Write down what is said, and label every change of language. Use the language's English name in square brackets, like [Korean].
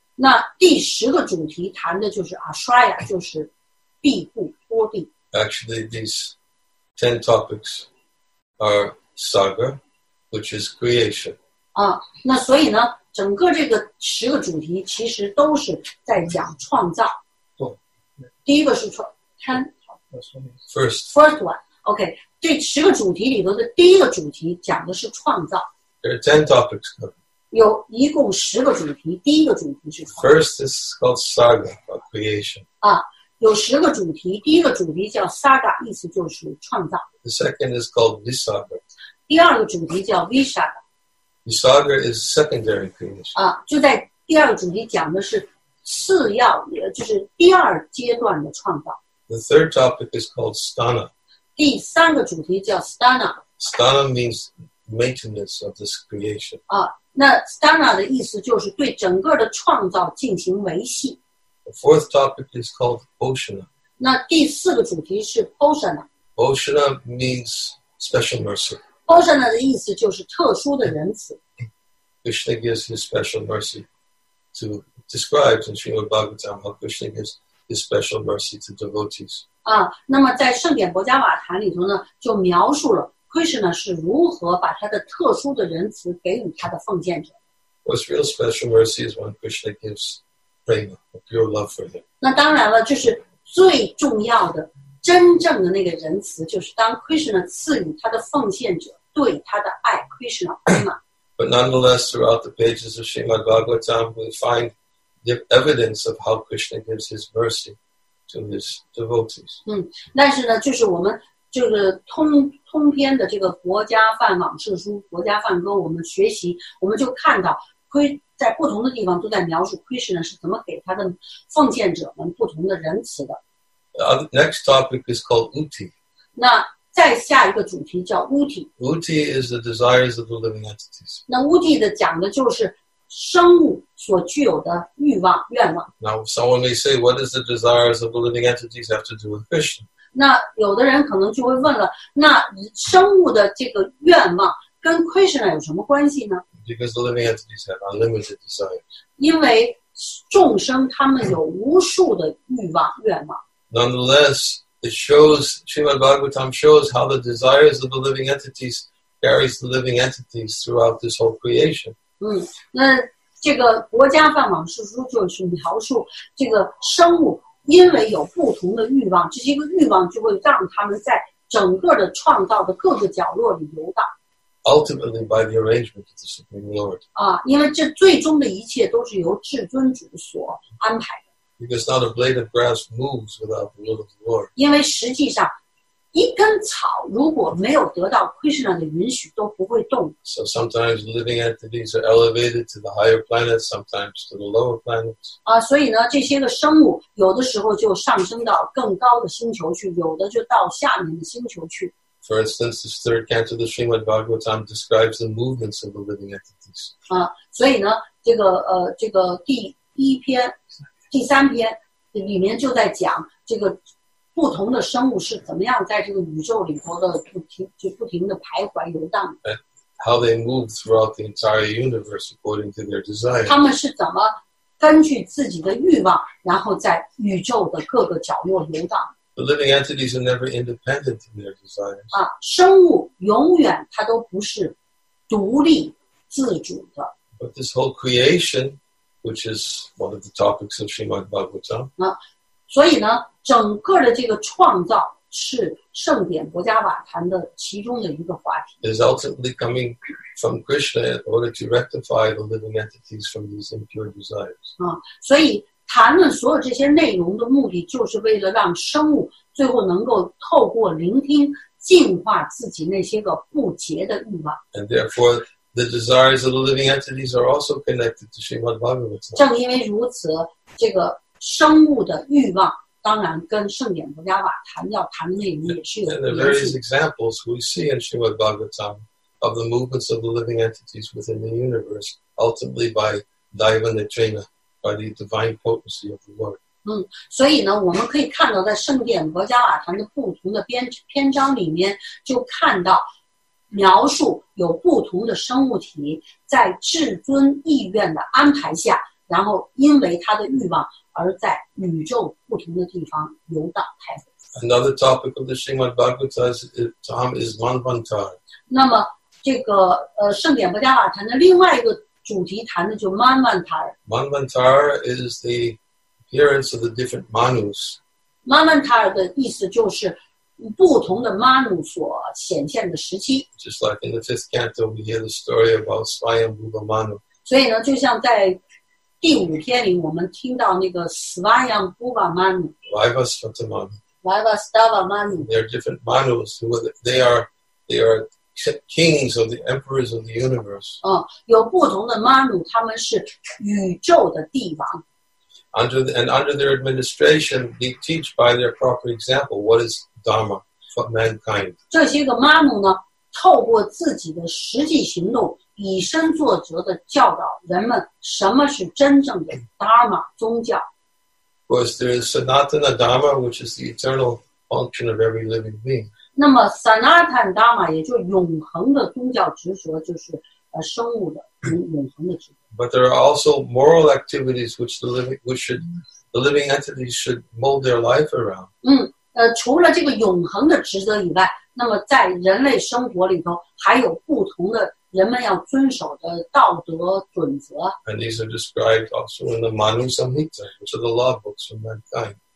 [Chinese] 那第十个主题谈的就是 Ashraya, 就是庇护托庇。 [English] Actually, these 10 topics are Saga, which is creation. [Chinese] 那所以呢，整个这个十个主题其实都是在讲创造。第一个是 10. [English] First one. [Chinese] Okay, 这十个主题里头的第一个主题讲的是创造。 [English] There are 10 topics covered. [Chinese] 有一共十个主题，第一个主题是 [English] First is called Saga of creation. [Chinese] 有十个主题，第一个主题叫 Saga, 意思就是创造。 [English] The second is called Visaga. [Chinese] 第二个主题叫 Visaga. [English] Visaga is secondary creation. [Chinese] 就在第二个主题讲的是次要，就是第二阶段的创造。 [English] The third topic is called Stana. [Chinese] 第三个主题叫 Stana. [English] Stana means maintenance of this creation. [Chinese] 那 Stana 的意思就是对整个的创造进行维系。 [English] The fourth topic is called Bhoshana. [Chinese] 那第四个主题是 Bhoshana. [English] Bhoshana means special mercy. [Chinese] Bhoshana 的意思就是特殊的仁慈。 [English] Krishna gives his special mercy to describes in Srimad Bhagavatam how Krishna gives his special mercy to devotees. [Chinese] 那么在圣典《摩迦瓦坛》里头呢，就描述了。 Krishna 是如何把他的特殊的仁慈给予他的奉献者 [English] ？What's real special mercy is when Krishna gives prema, pure love for him. [Chinese] 那当然了，就是最重要的、真正的那个仁慈，就是当 Krishna 赐予他的奉献者对他的爱 ，Krishna prema. [English] But nonetheless, throughout the pages of Srimad Bhagavatam, we find the evidence of how Krishna gives his mercy to his devotees. [Chinese] 但是呢，就是我们。就是通篇的这个《国家梵往事书》《国家梵歌》，我们学习，我们就看到，在不同的地方都在描述 Krishna 是怎么给他的奉献者们不同的仁慈的。 [English] Next topic is called Uti. [Chinese] 那再下一个主题叫 Uti. [English] Uti is the desires of the living entities. [Chinese] 那 Uti 的讲的就是生物所具有的欲望愿望。 [English] Now someone may say, what does the desires of the living entities have to do with Krishna? [Chinese] 那有的人可能就会问了，那生物的这个愿望跟 Krishna 有什么关系呢 [English] ？Because the living entities have unlimited desires. [Chinese] 因为众生他们有无数的欲望愿望。 [English] Nonetheless, it shows Srimad Bhagavatam shows how the desires of the living entities carries the living entities throughout this whole creation. [Chinese] 那这个《国家梵往事书》就是描述这个生物。因为有不同的欲望，这些个欲望就会让他们在整个的创造的各个角落里游荡。 [English] Ultimately, by the arrangement of the Supreme Lord. [Chinese] 因为这最终的一切都是由至尊主所安排的。 [English] Because not a blade of grass moves without the will of the Lord. [Chinese] 因为实际上，一根草如果没有得到 Krishna 的允许都不会动。 [English] So sometimes living entities are elevated to the higher planets, sometimes to the lower planets. [Chinese] 所以呢这些个生物有的时候就上升到更高的星球去，有的就到下面的星球去。 [English] For instance, this third canto of the Srimad Bhagavatam describes the movements of the living entities. [Chinese] 所以呢这个这个第一篇第三篇里面就在讲这个不同的生物是怎么样在这个宇宙里头的不停的徘徊游荡。 [English] And how they move throughout the entire universe according to their desire. [Chinese] 他们是怎么根据自己的欲望然后在宇宙的各个角落游荡。 [English] The living entities are never independent in their desires. [Chinese] 生物永远它都不是独立自主的。 [English] But this whole creation, which is one of the topics of Srimad Bhagavatam. [Chinese] 所以呢整个的这个创造是圣典博迦瓦坛的其中的一个话题。 [English] Is ultimately coming from Krishna in order to rectify the living entities from these impure desires. [Chinese] 所以谈论所有这些内容的目的就是为了让生物最后能够透过聆听净化自己那些个不洁的欲望。 [English] And therefore, the desires of the living entities are also connected to Srimad Bhagavatam. [Chinese] 正因为如此这个生物的欲望当然跟圣典博迦瓦坛要谈的内容也是有关系。 [English] And the various examples we see in Srimad Bhagavatam of the movements of the living entities within the universe, ultimately by Daiva Nitrina, by the divine potency of the Lord. [Chinese] 所以呢我们可以看到在圣典博迦瓦坛的不同的篇章里面就看到描述有不同的生物体在至尊意愿的安排下然后因为他的欲望而在宇宙不同的地方游荡徘徊。 [English] Another topic of the Srimad Bhagavatam is Manvantara. [Chinese] 那么这个圣典博迦瓦坛的另外一个主题谈的就 Manvantara。 [English] Manvantara is the appearance of the different Manus. [Chinese] Manvantara 的意思就是不同的 Manu 所显现的时期。 [English] Just like in the fifth canto, we hear the story about Svayambhuva Manu. [Chinese] 所以呢就像在第五篇里我们听到那个 Svayambhuva Manu [English] Vaivasvata Manu Vaivasvata Manu They are different Manus they are kings of the emperors of the universe [Chinese] 有不同的 Manu 他们是宇宙的帝王 [English] under their administration they teach by their proper example what is Dharma for mankind [Chinese] 这些个 Manu 呢透过自己的实际行动以身作则的教导人们什么是真正的 Dharma 宗教。 [English] Of course, there is Sanatana Dharma, which is the eternal function of every living being. [Chinese] 那么 Sanatana Dharma 也就永恒的宗教执着就是生物的永恒的执着。 [English] But there are also moral activities which the living entities should mold their life around. [Chinese] 除了这个永恒的职责以外那么在人类生活里头还有不同的人们要遵守的道德准则。 [English] And these are described also in the Manu Samhita, which are the law books of mankind.